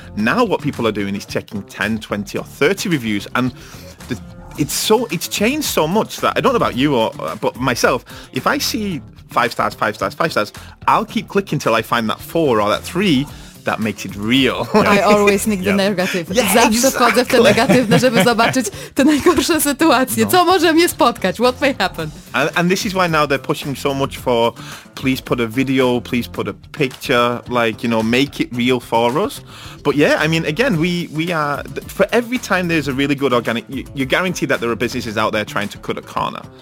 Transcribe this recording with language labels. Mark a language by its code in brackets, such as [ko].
[en] Now what people are doing is checking 10, 20 or 30 reviews, and it's changed so much that I don't know about you or but myself, if I see five stars, I'll keep clicking till I find that 4 or that 3 that makes it real. I always nick the negative. Yeah, [pl] zawsze [en] exactly. [pl] wchodzę w te negatywne, żeby zobaczyć te najgorsze sytuacje. No. Co może mnie spotkać? [en] What may happen? And this is why now they're pushing so much for please put a video, please put a picture, like, you know, make it real for us. But yeah, I mean, again, we are, for every time there's a really good organic, you guarantee that there are businesses out there trying to cut a corner.